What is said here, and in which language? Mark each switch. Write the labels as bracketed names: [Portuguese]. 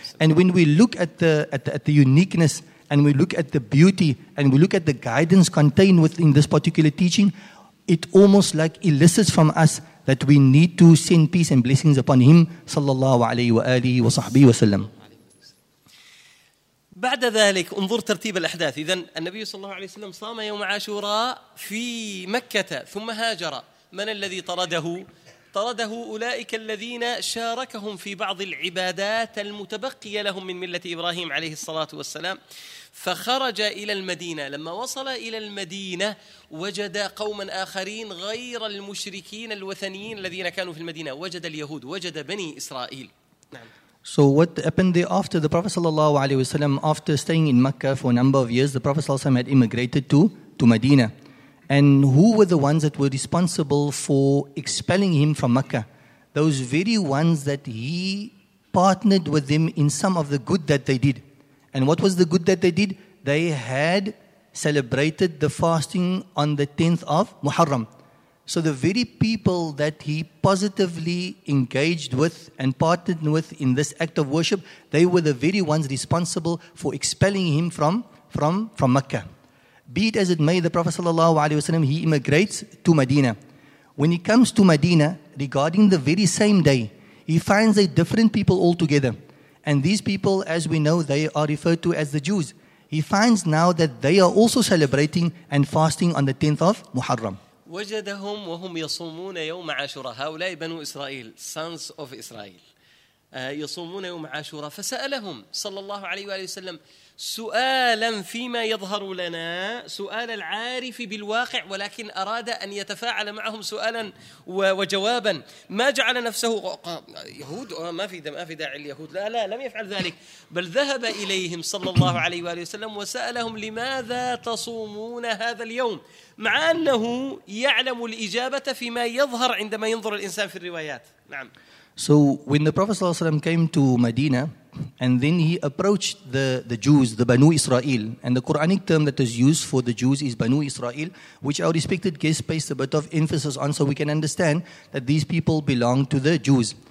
[English] And when we look at the uniqueness, and we look at the beauty, and we look at the guidance contained within this particular teaching, it almost like elicits from us that we need to send peace and blessings upon him, sallallahu alayhi wa alihi wa sahbihi wa sallam. [Arabic] بعد ذلك انظر ترتيب الأحداث إذن النبي صلى الله عليه وسلم صام يوم عاشوراء في مكة ثم هاجر من الذي طرده؟ طرده أولئك الذين شاركهم في بعض العبادات المتبقية لهم من ملة إبراهيم عليه الصلاة والسلام فخرج إلى المدينة لما وصل إلى المدينة وجد قوما آخرين غير المشركين الوثنيين الذين كانوا في المدينة وجد اليهود وجد بني إسرائيل. [English] So what happened there after the Prophet sallallahu alaihi wasallam, after staying in Mecca for a number of years, the Prophet sallallahu alaihi wasallam had immigrated to Medina. And who were the ones that were responsible for expelling him from Mecca? Those very ones that he partnered with them in some of the good that they did. And what was the good that they did? They had celebrated the fasting on the 10th of Muharram. So the very people that he positively engaged with and partnered with in this act of worship, they were the very ones responsible for expelling him from Mecca. Be it as it may, the Prophet sallallahu alaihi wasallam, he immigrates to Medina. When he comes to Medina, regarding the very same day, he finds a different people altogether. And these people, as we know, they are referred to as the Jews. He finds now that they are also celebrating and fasting on the 10th of Muharram. [Arabic] وجدهم وهم يصومون يوم عاشوراء هؤلاء بنو إسرائيل [English] sons of Israel [Arabic] يصومون يوم عاشوراء فسألهم صلى الله عليه وآله وسلم سؤالا فيما يظهر لنا سؤال العارف بالواقع ولكن أراد أن يتفاعل معهم سؤالا وجوابا ما جعل نفسه يهود ما في دم ما في داعي اليهود لا لا لم يفعل ذلك بل ذهب إليهم صلى الله عليه وآله وسلم وسألهم لماذا تصومون هذا اليوم مع أنه يعلم الإجابة فيما يظهر عندما ينظر الإنسان في الروايات نعم. [English] So when the Prophet ﷺ came to Medina, and then he approached the Jews, the Banu Israel, and the Quranic term that is used for the Jews is Banu Israel, which our respected guest placed a bit of emphasis on so we can understand that these people belong to the Jews.